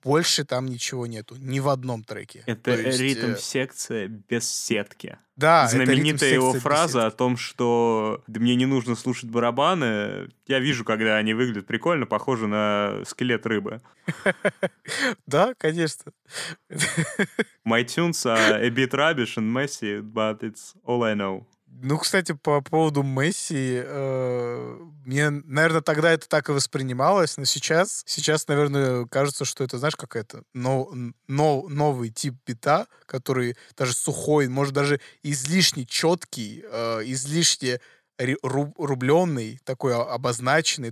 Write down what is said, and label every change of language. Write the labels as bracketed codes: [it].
[ru] Больше там ничего нету, ни в одном треке. Это ритм-секция без сетки. Да, знаменитая его фраза о том, что да, мне не нужно слушать барабаны, я вижу, когда они выглядят прикольно, похоже на скелет рыбы. Да, конечно. [en] My tunes are a bit rubbish and messy, but it's all I know. [ru] Ну, кстати, по поводу Месси, мне, наверное, тогда это так и воспринималось, но сейчас, наверное, кажется, что это, знаешь, какой-то новый тип бита, который даже сухой, может, даже излишне четкий, излишне рубленый, такой обозначенный.